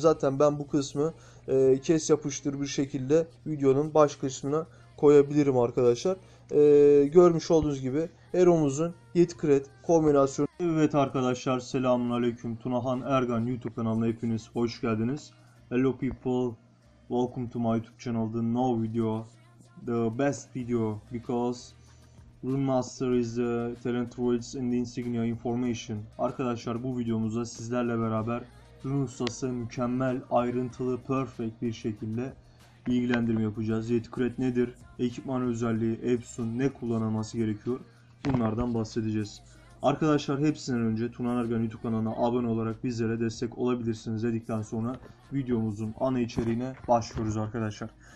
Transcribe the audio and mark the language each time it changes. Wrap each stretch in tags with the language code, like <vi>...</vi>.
<tr>Zaten ben bu kısmı kes yapıştır bir şekilde videonun baş kısmına koyabilirim arkadaşlar. Görmüş olduğunuz gibi Hero'muzun hit crit kombinasyonu. Evet arkadaşlar, selamünaleyküm. Tunahan Ergan YouTube kanalına hepiniz hoş geldiniz.</tr> <en>Hello people, welcome to my YouTube channel. The new video, the best video because Rune Master is the talent words and insignia information.</en> <tr>Arkadaşlar, bu videomuzda sizlerle beraber Rune ustası mükemmel, ayrıntılı, perfect bir şekilde bilgilendirme yapacağız. Yet crit nedir? Ekipman özelliği, Epsun ne kullanılması gerekiyor? Bunlardan bahsedeceğiz. Arkadaşlar, hepsinden önce Tunahan Ergan YouTube kanalına abone olarak bizlere destek olabilirsiniz dedikten sonra videomuzun ana içeriğine başlıyoruz arkadaşlar.</tr>